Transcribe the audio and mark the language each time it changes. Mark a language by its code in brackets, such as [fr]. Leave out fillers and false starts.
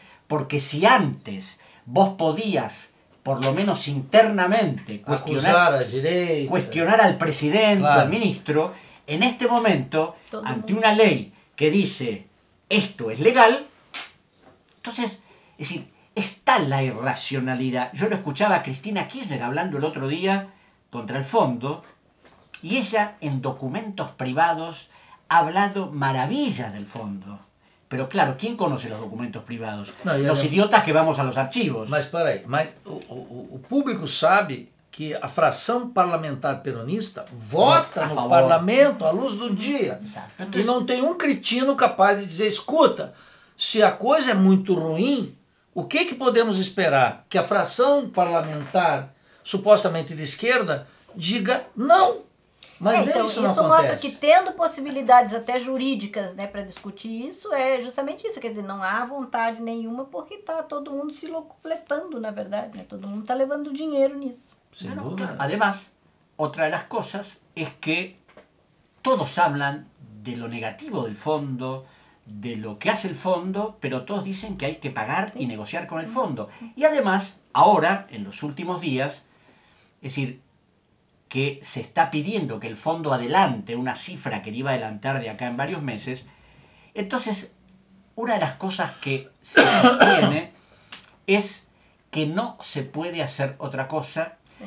[es] Porque si antes vos podías, por lo menos internamente, cuestionar al presidente, claro, al ministro, en este momento, ante una ley que dice esto es legal, entonces, es decir, está la irracionalidad. Yo lo escuchaba a Cristina Kirchner hablando el otro día contra el fondo, y ella en documentos privados ha hablado maravillas del fondo. Pero claro, ¿quién conoce los documentos privados? No, los idiotas que vamos a los archivos. [pt] Mas para aí, mas o público sabe que a fração parlamentar peronista vota no parlamento à luz do dia. Exato. E não tem um cretino capaz de dizer, escuta, se a coisa é muito ruim, o que que podemos esperar? Que a fração parlamentar, supostamente de esquerda, diga não. Mas então, isso acontece. Mostra que tendo possibilidades até jurídicas, né, para discutir isso, é justamente isso. Quer dizer, não há vontade nenhuma porque está todo mundo se locupletando, na verdade. Né? Todo mundo está levando dinheiro nisso. [es] Sin duda. Claro. Además, otra de las cosas es que todos hablan de lo negativo del fondo, de lo que hace el fondo, pero todos dicen que hay que pagar y negociar con el fondo. Y además, ahora, en los últimos días, es decir, que se está pidiendo que el fondo adelante una cifra que iba a adelantar de acá en varios meses, entonces, una de las cosas que se sostiene es que no se puede hacer otra cosa.